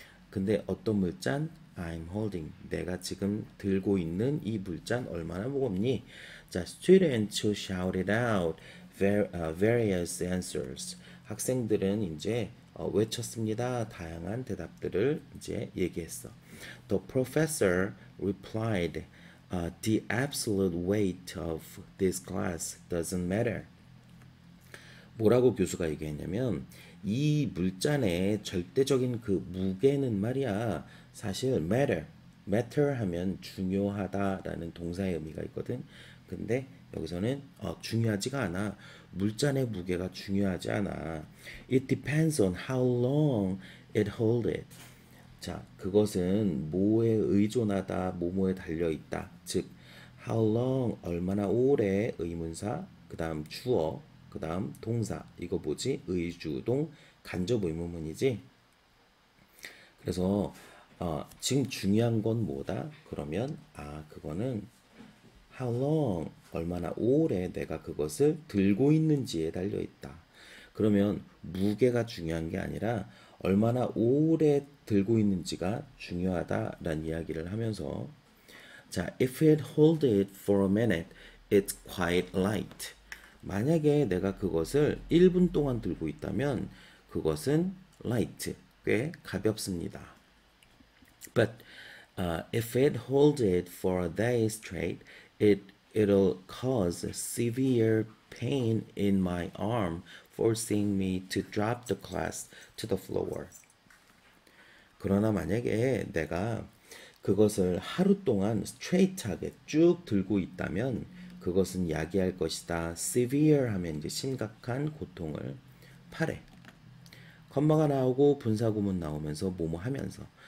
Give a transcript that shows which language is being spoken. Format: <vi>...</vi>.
<ko>근데 어떤 물잔?</ko> <en>I'm holding.</en> <ko>내가 지금 들고 있는 이 물잔 얼마나 무겁니?</ko> <en>자, students shouted out various answers.</en> <ko>학생들은 이제 외쳤습니다. 다양한 대답들을 이제 얘기했어.</ko> <en>The professor replied, "The absolute weight of this glass doesn't matter."</en> <ko>뭐라고 교수가 얘기했냐면, 이 물잔의 절대적인 그 무게는 말이야, 사실 matter. matter 하면 중요하다라는 동사의 의미가 있거든. 근데 여기서는 중요하지가 않아. 물잔의 무게가 중요하지 않아.</ko> <en>It depends on how long it holds it.</en> <ko>자, 그것은 뭐에 의존하다, 뭐뭐에 달려 있다. 즉, how long, 얼마나 오래, 의문사, 그 다음 주어, 그 다음 동사. 이거 뭐지? 의주동, 간접 의문문이지. 그래서 지금 중요한 건 뭐다? 그러면 그거는 how long, 얼마나 오래 내가 그것을 들고 있는지에 달려 있다. 그러면 무게가 중요한 게 아니라 얼마나 오래 들고 있는지가 중요하다라는 이야기를 하면서, 자,</ko> <en>if it hold it for a minute, it's quite light.</en> <ko>만약에 내가 그것을 1분 동안 들고 있다면 그것은 light, 꽤 가볍습니다.</ko> <en>But if it holds it for a day straight, it'll cause severe pain in my arm, forcing me to drop the glass to the floor.</en> <ko>그러나 만약에 내가 그것을 하루 동안 스트레이트하게 쭉 들고 있다면 그것은 야기할 것이다. Severe 하면 이제 심각한 고통을 팔에. 컴마가 나오고 분사구문 나오면서 뭐뭐 하면서.</ko>